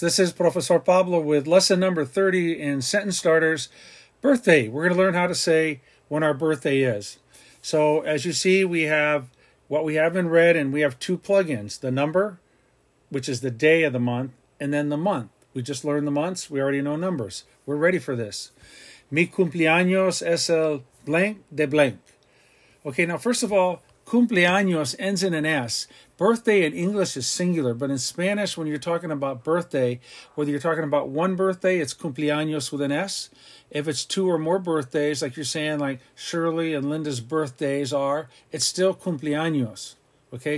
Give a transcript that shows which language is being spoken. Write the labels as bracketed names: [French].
[English] This is Professor Pablo with lesson number 30 in sentence starters, birthday. We're going to learn how to say when our birthday is. So as you see, we have what we have in red, and we have two plugins, the number, which is the day of the month, and then the month. We just learned the months. We already know numbers. We're ready for this. [Spanish] Mi cumpleaños es el blank de blank. [English] Okay, now first of all, cumpleaños ends in an S. Birthday in English is singular, but in Spanish, when you're talking about birthday, whether you're talking about one birthday, it's cumpleaños with an S. If it's two or more birthdays, like you're saying, like Shirley and Linda's birthdays are, it's still cumpleaños, okay?